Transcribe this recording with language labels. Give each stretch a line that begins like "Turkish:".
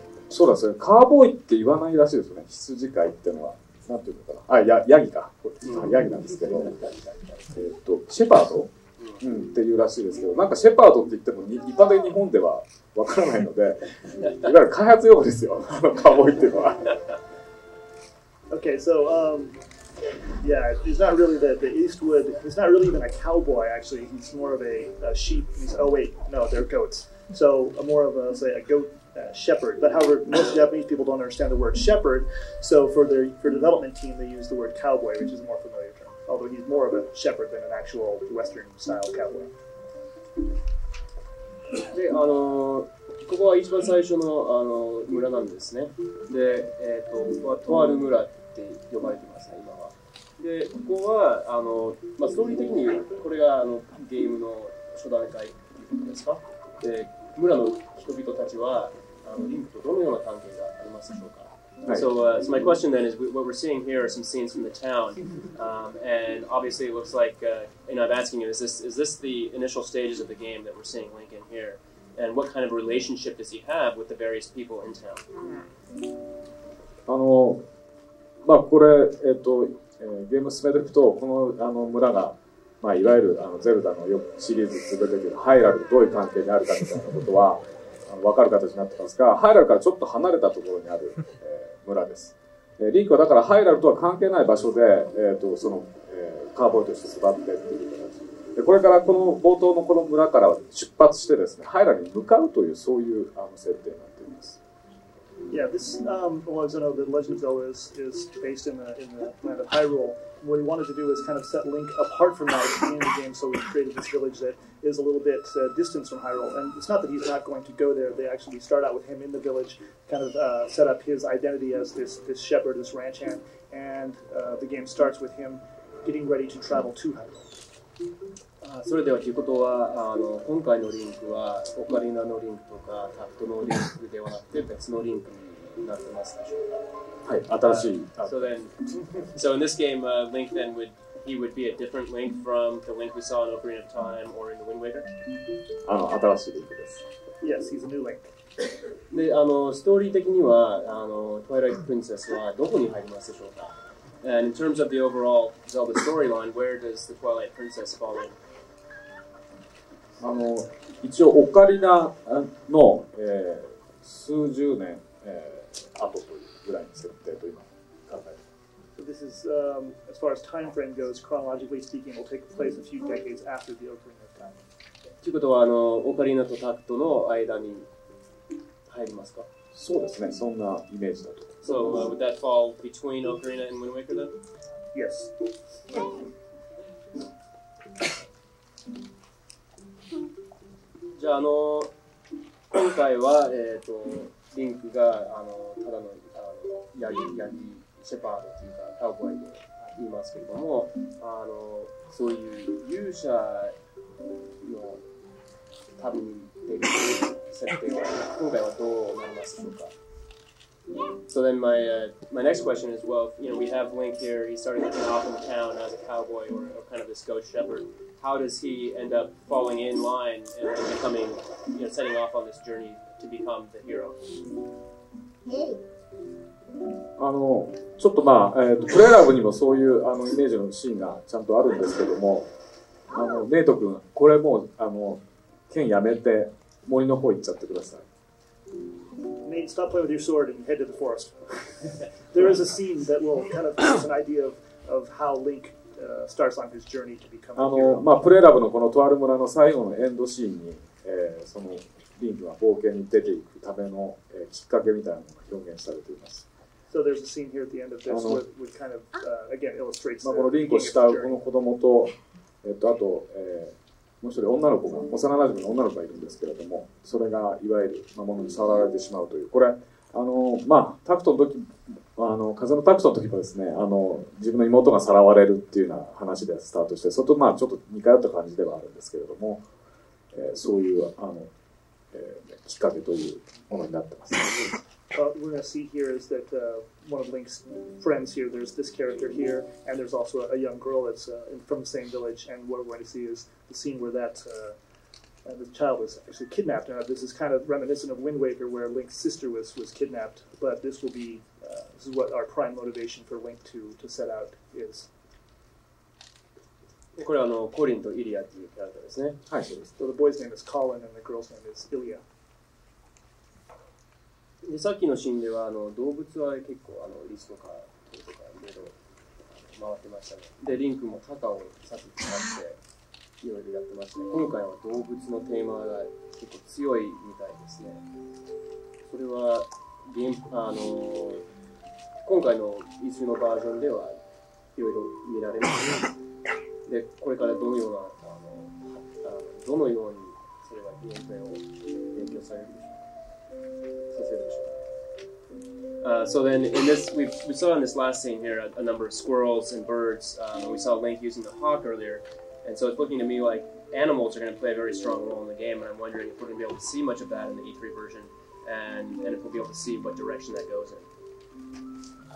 Japanese: そうですね。カーボーイって言わないらしいですよね。羊飼いってのは。なんていうのかな。あ、ヤギか。ヤギなんですけど。シェパード? うん、っていうらしいですけど、なんかシェパードって言っても一般的に日本ではわからないので、いわゆる開発用語ですよ、あのカーボイっていうのは。
English: Okay, so, yeah, it's not really the Eastwood, it's not really even a cowboy, actually. He's more of a sheep. He's, oh, wait, no, they're goats. So, more of a, say, a goat shepherd. But however, most Japanese people don't understand the word shepherd, so for their for development team, they use the word cowboy, which is a more familiar term. Although he's more of a shepherd than an actual Western-style cowboy.
Japanese: ここは一番最初 の, あの村なんですね。で、ここはトワル村って呼ばれてます、ね、今は。で、ここはあの、まあ、ストーリー的にこれがあのゲームの初段階ということですか。で、村の人々たちはあのリンクとどのような関係がありますでしょうか。
English: So, so my question then is, what we're seeing here are some scenes from the town, and obviously it looks like, and I'm asking you, is this the initial stages of the game that we're seeing Link in here? And what kind of relationship does he have with the various people in town?
Japanese: あの、まあこれ、ゲーム進めていくと、この、あの村が、まあいわゆるあのゼルダのよくシリーズ続けてくるハイラルどういう関係にあるかみたいなことは、分かる形になってますが、ハイラルからちょっと離れたところにある、村です。リンクはだからハイラルとは関係ない場所で、その、カーボーイとして育ってっていう形で、これからこの冒頭のこの村から出発してですね、ハイラルに向かうというそういうあの設定になっています。
English: Yeah, this well, you know, the Legend of Zelda is based in the land of Hyrule. What he wanted to do is kind of set Link apart from that in the game, so we created this village that is a little bit distant from Hyrule. And it's not that he's not going to go there. They actually start out with him in the village, kind of set up his identity as this shepherd, this ranch hand, and the game starts with him getting ready to travel to Hyrule.
Japanese: それではということはあの今回のリンクはオカリナのリンクとかタプトのリンクではなくて別のリンクになってますでしょうか。はい、新しい。
English: So then, so in this game, Link then would he would be a different Link from the Link we saw in Ocarina of Time or in the Wind Waker?
Japanese: あの新しいリンクです。
English: Yes, he's a new Link.
Japanese: で、あのストーリー的にはあのトワイライトプリンセスはどこに入りますでしょうか。
English: And in terms of the overall Zelda storyline, where does the Twilight Princess fall in?
Japanese: あの一応オカリナの、数十年、後というぐらいの設定と今考えています。
English: So this is, as far as time frame goes, chronologically speaking, will take place a few decades after the Ocarina of Time.
Japanese: ということはあのオカリナとタクトの間に入りますか？そうですね、そんなイメージだと。
English: So, would that fall between Ocarina and Wind Waker then? Yes.
Japanese: じゃあ、あの、今回は、リンクが、あの、ただの、あの、ヤギ、シェパードというか、カウボーイで言いますけれども、あの、そういう勇者の旅に出る設定は、今回はどうなりますでしょうか。
English: So then my next question is, well, you know, we have Link here, he started looking off in town as a cowboy or kind of this goat shepherd. How does he end up falling in line and becoming, you know, setting off on this journey to become the hero?
Japanese: あのちょっとまあ、プレイラブにもそういうあのイメージのシーンがちゃんとあるんですけども、あのネイト君これもうあの剣やめて森の方行っちゃってください。
English: Nate, stop playing with your sword and head to the forest. There is a scene that will kind of give us an idea of how Link starts on his journey to become a hero.
Japanese: まあ、プレラブのこのトワル村の最後のエンドシーンに、そのリンクが冒険に出ていくための、きっかけみたいなのが表現されています。
English: So there's a scene here at the end of this which kind of, again, illustrates the beginning of his journey.
Japanese: まあ、このリンクを慕うこの子供と、あと、もう一人女の子が、幼馴染の女の子がいるんですけれども、それがいわゆる魔物に触られてしまうという、これ、あのまあ、タクトの時あの風のタクトの時もですね、あの、自分の妹がさらわれるっていうような話でスタートして、それと、まあ、ちょっと似通った感じではあるんですけれども、そういうあの、きっかけというものになってます。
English: What we're going to see here is that one of Link's friends here, there's this character here, and there's also a young girl that's from the same village. And what we're going to see is the scene where that the child was actually kidnapped. Now, this is kind of reminiscent of Wind Waker, where Link's sister was kidnapped. But this will be this is what our prime motivation for Link to set out is.
Japanese: これはあのコリンとイリアっていうキャラクターですね。はい、そうです。
English: So、the boy's name is Colin and the girl's name is Ilya。
Japanese: でさっきのシーンではあの動物は結構あのリスとかトとかいろいろ回ってましたね。でリンクもタカをさっき使っていろいろやってましたね。今回は動物のテーマが結構強いみたいですね。それはゲームあの今回のイズのバージョンではいろいろ見られますね。でこれからどのようなどのようにそれはゲームを勉強されるでしょうか。
English: So then in this, we saw in this last scene here a number of squirrels and birds. We saw Link using the hawk earlier. And so it's looking to me like animals are going to play a very strong role in the game. And I'm wondering if we're going to be able to see much of that in the E3 version. And if we'll be able to see what direction that goes in.